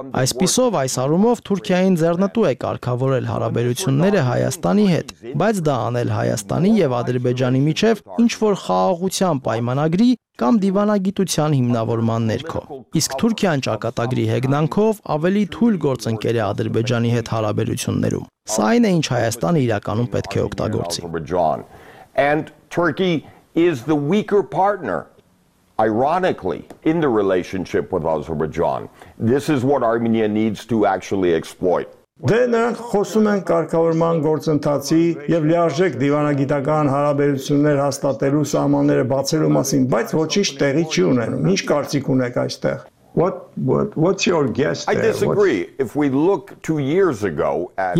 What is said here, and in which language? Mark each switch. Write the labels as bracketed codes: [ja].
[hy] Այսպիսով այս առումով Թուրքիային ձեռնտու է կարգավորել հարաբերությունները Հայաստանի հետ, բայց դա անել Հայաստանի եւ Ադրբեջանի միջև ինչ որ խաղաղության պայմանագրի կամ դիվանագիտության հիմնավորման ներքո։ Իսկ Թուրքիան ճակատագրի հեգնանքով ավելի թույլ գործընկեր է Ադրբեջանի հետ հարաբերություններում։ Սա այն է, ինչ Հայաստանը իրականում պետք է օգտագործի։ [en] And Turkey is the weaker partner, ironically, in the relationship with Azerbaijan. This is what Armenia needs to actually exploit. [hy] Դե նրանք խոսում են կարգավորման գործընթացի եւ լիարժեք դիվանագիտական հարաբերություններ հաստատելու սահմանները բացելու մասին, բայց ոչինչ տեղի չի ունենում։ Ինչ կարծիք ունեք այստեղ։ [en] What's your guess there? I disagree. If we look 2 years ago at